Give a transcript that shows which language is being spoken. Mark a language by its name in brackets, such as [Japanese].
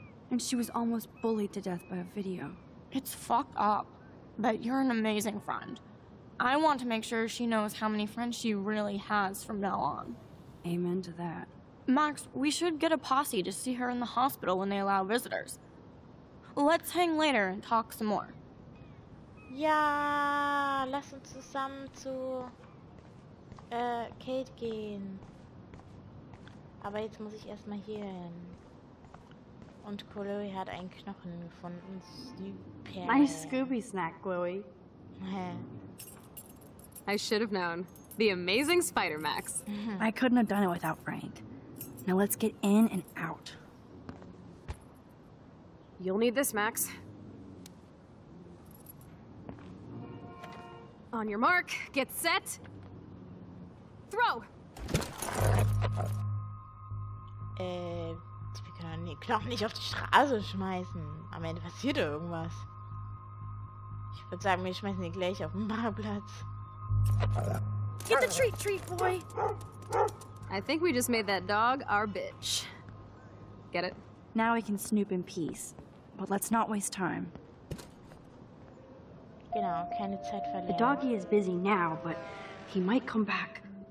[English] And she was almost bullied to death by a video. It's fucked up, but you're an amazing friend. I want to make sure she knows how many friends she really has from now on. Amen to that. Max, we should get a posse to see her in the hospital when they allow visitors. Let's hang later and talk some more. [German] Yeah, lass uns zusammen zu Kate gehen. Aber jetzt muss ich erstmal hier hin. Und Chloe hat einen Knochen gefunden. Super. [English] My Scooby snack, Chloe. I should have known. The amazing Spider Max. I couldn't have done it without Frank. Now let's get in and out. You'll need this, Max. On your mark, get set, throw! [German] Wir können den Knochen nicht auf die Straße schmeißen. Am Ende passiert irgendwas. Ich würde sagen, wir schmeißen ihn gleich auf den Marktplatz. [English] Get the treat, treat boy! I think we just made that dog our bitch. Get it? Now we can snoop in peace. But let's not waste time. [German] Genau, keine Zeit verlieren. [English] The doggy is busy now, but he might come back.